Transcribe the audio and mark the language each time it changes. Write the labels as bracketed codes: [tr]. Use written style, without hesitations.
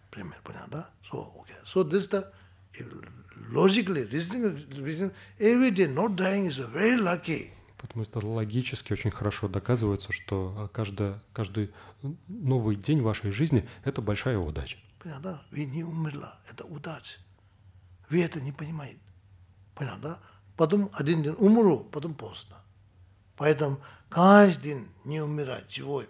[ru] Премия, понятно, да? [en] So okay. So this the logically, reasoning, every day not dying is very lucky. [ru] Поэтому это логически очень хорошо доказывается, что каждый новый день вашей жизни – это большая удача. Понятно, да? Вы не умерли, это удача. Вы это не понимаете. Понятно, да? Потом один день умру, потом поздно. Поэтому каждый день не умирать, живой.